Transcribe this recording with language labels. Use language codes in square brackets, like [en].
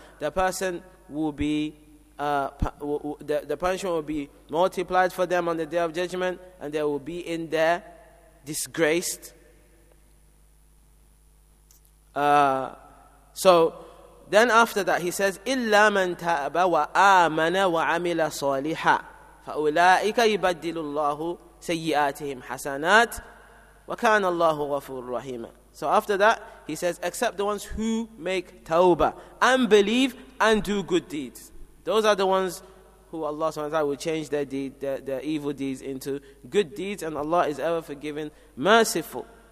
[en] The person will be, the punishment will be multiplied for them on the Day of Judgment, and they will be in there disgraced. So then after that, He says, [ar] إِلَّا مَنْ تَأْبَ وَآمَنَ وَعَمِلَ صَالِحًا فَأُولَٰئِكَ يُبَدِّلُ اللَّهُ سَيِّئَاتِهِمْ حَسَنَاتٍ وَكَانَ اللَّهُ غَفُورٌ رَحِيمًا. [en] So after that, He says, except the ones who make tawbah and believe and do good deeds. Those are the ones who Allah subhanahu wa ta'ala will change their evil deeds into good deeds, and Allah is ever forgiving, merciful.